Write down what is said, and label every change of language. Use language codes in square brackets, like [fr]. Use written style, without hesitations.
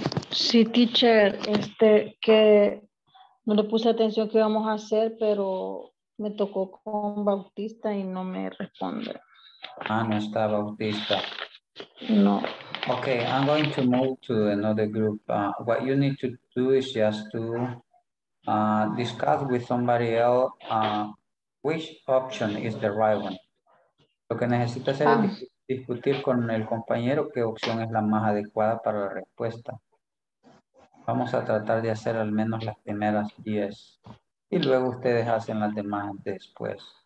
[es] Sí, teacher, que no le puse atención qué vamos a hacer, pero me tocó con Bautista y no me responde. Ah, no está Bautista. No. [en] Okay, I'm going to move to another group. What you need to do is just to discuss with somebody else which option is the right one. [es] Lo que necesita hacer es discutir con el compañero qué opción es la más adecuada para la respuesta. Vamos a tratar de hacer al menos las primeras 10 y luego ustedes hacen las demás después.